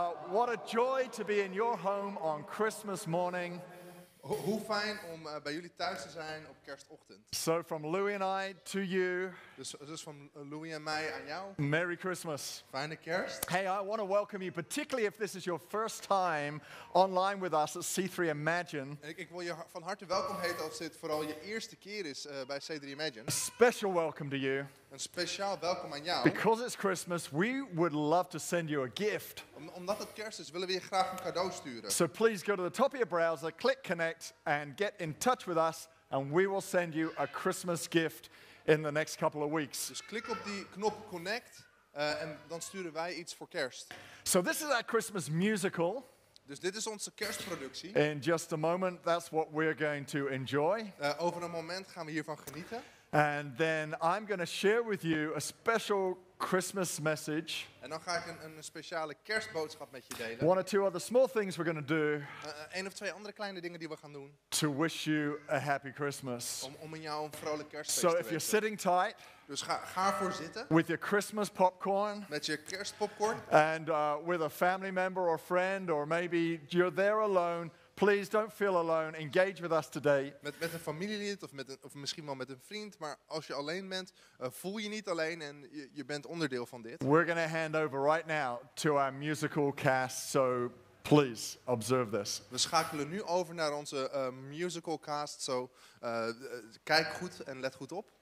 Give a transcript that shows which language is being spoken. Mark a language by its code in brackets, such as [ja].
[en] What a joy to be in your home on Christmas morning. [nl] Hoe fijn om bij jullie thuis te zijn op kerstochtend. [en] So from Louis and I to you. [nl] Dus van Louis en mij aan jou. [en] Merry Christmas. [nl] Fijne kerst. [en] Hey, I want to welcome you, particularly if this is your first time online with us at C3 Imagine. [nl] Ik wil je van harte welkom heten als dit vooral je eerste keer is bij C3 Imagine. [en] A special welcome to you. [nl] Een speciaal welkom aan jou. [en] Because it's Christmas, we would love to send you a gift. [nl] Omdat het kerst is, willen we je graag een cadeau sturen. [en] So please go to the top of your browser, click connect, and get in touch with us, and we will send you a Christmas gift in the next couple of weeks. [nl] Dus klik op die knop connect, en dan sturen wij iets voor kerst. [en] So this is our Christmas musical. [nl] Dus dit is onze kerstproductie. [en] In just a moment, that's what we're going to enjoy. [nl] Over een moment gaan we hiervan genieten. [en] And then I'm going to share with you a special Christmas message. [nl] En dan ga ik een speciale kerstboodschap met je delen. [en] One or two other small things we're going to do. [nl] Een of twee andere kleine dingen die we gaan doen. [en] To wish you a happy Christmas. [nl] Om jou een vrolijk kerstfeest te wensen. [en] So if you're sitting tight. [nl] Dus ga voor zitten. [en] With your Christmas popcorn. [nl] Met je kerstpopcorn. [en] And with a family member or friend, or maybe you're there alone. Please don't feel alone. Engage with us today. [nl] Met een familielid of misschien wel met een vriend, maar als je alleen bent, voel je niet alleen en je bent onderdeel van dit. [en] We're going to hand over right now to our musical cast, so please observe this. [nl] We schakelen nu over naar onze musical cast, so kijk goed en let goed op.